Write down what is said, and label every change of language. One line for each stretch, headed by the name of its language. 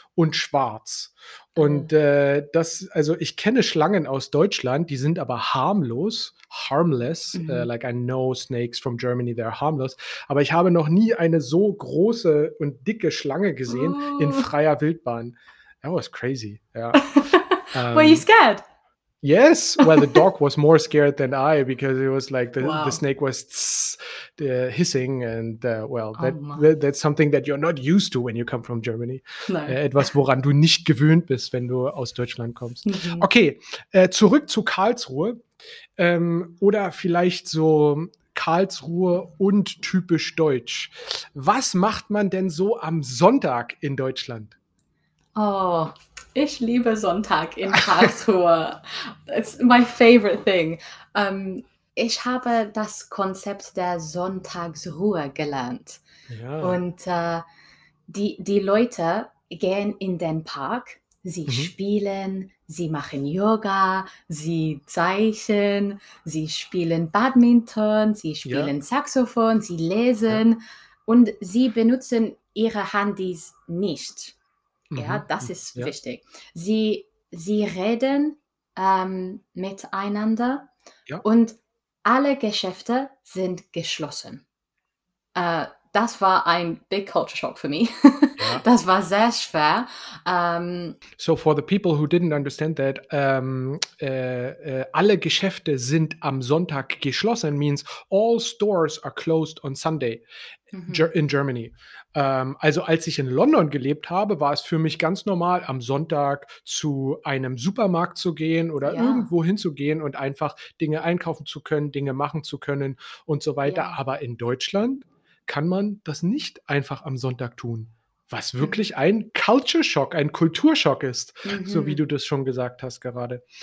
German: und schwarz. Und das, also ich kenne Schlangen aus Deutschland, die sind aber harmlos,
English: harmless, like I know snakes from Germany, they're harmless.
German: Aber ich habe noch nie eine so große und dicke Schlange gesehen in freier Wildbahn.
English: That was crazy. Yeah. Were you scared? Yes, well, the dog was more scared than I because it was like the snake was hissing and that's something that you're not used to when you come from Germany.
German: Nein. Etwas, woran du nicht gewöhnt bist, wenn du aus Deutschland kommst. Mhm. Okay, zurück zu Karlsruhe oder vielleicht so Karlsruhe und typisch deutsch. Was macht man denn so am Sonntag in Deutschland? Oh, ich liebe Sonntag in Karlsruhe.
English: It's my favorite thing.
German: Ich habe das Konzept der Sonntagsruhe gelernt. Ja. Und die Leute gehen in den Park, sie spielen, sie machen Yoga, sie zeichnen, sie spielen Badminton, sie spielen Saxophon, sie lesen und sie benutzen ihre Handys nicht. Ja, das ist wichtig. Sie reden miteinander und alle Geschäfte sind geschlossen. Das war ein
English: big culture shock for me.
German: Ja. Das war sehr schwer.
English: So for the people who didn't understand that,
German: alle Geschäfte sind am Sonntag geschlossen
English: means all stores are closed on Sunday. In Germany.
German: Also als ich in London gelebt habe, war es für mich ganz normal, am Sonntag zu einem Supermarkt zu gehen oder irgendwo hinzugehen und einfach Dinge einkaufen zu können, Dinge machen zu können und so weiter. Ja. Aber in Deutschland kann man das nicht einfach am Sonntag tun, was wirklich ein Culture-Shock, ein Kulturschock ist, so wie du das schon gesagt hast gerade.